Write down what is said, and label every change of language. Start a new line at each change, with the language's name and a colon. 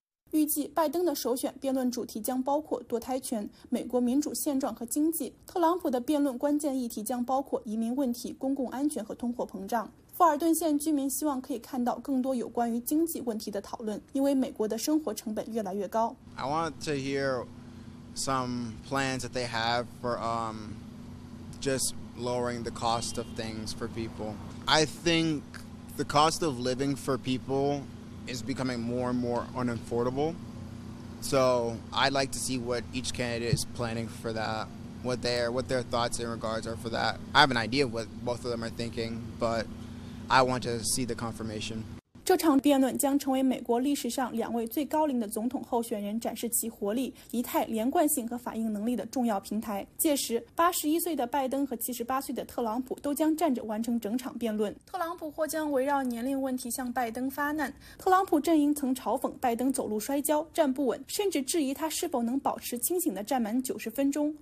Chinese: 预计拜登的首选辩论主题将包括堕胎权、美国民主现状和经济；特朗普的辩论关键议题将包括移民问题、公共安全和通货膨胀。富尔顿县居民希望可以看到更多有关于经济问题的讨论，因为美国的生活成本越来越高。
English: I want to hear some plans that they have for just lowering the cost of things for people. I think the cost of living for people is becoming more and more unaffordable. So I'd like to see what each candidate is planning for that, what their thoughts in regards are for that. I have an idea of what both of them are thinking, but. I want to see the confirmation.
Chinese: 这场辩论将成为美国历史上两位最高龄的总统候选人展示其活力、仪态、连贯性和反应能力的重要平台。届时，81岁的拜登和78岁的特朗普都将站着完成整场辩论。特朗普或将围绕年龄问题向拜登发难。特朗普阵营曾嘲讽拜登走路摔跤、站不稳，甚至质疑他是否能保持清醒地站满90分钟。